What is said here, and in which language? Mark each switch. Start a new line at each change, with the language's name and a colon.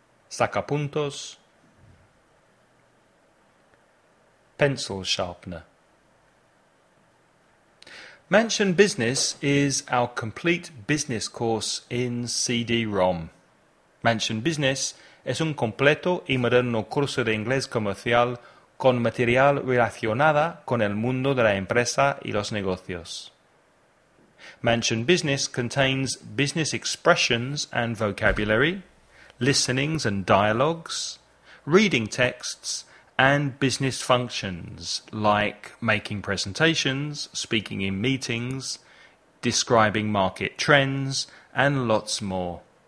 Spanish: Sacapuntos.
English: Pencil sharpener. Mansion Business is our complete business course in CD-ROM.
Spanish: Mansion Business es un completo y moderno curso de inglés comercial con material relacionada con el mundo de la empresa y los negocios.
English: Mansion Business contains business expressions and vocabulary, listenings and dialogues, reading texts, and business functions like making presentations, speaking in meetings, describing market trends, and lots more.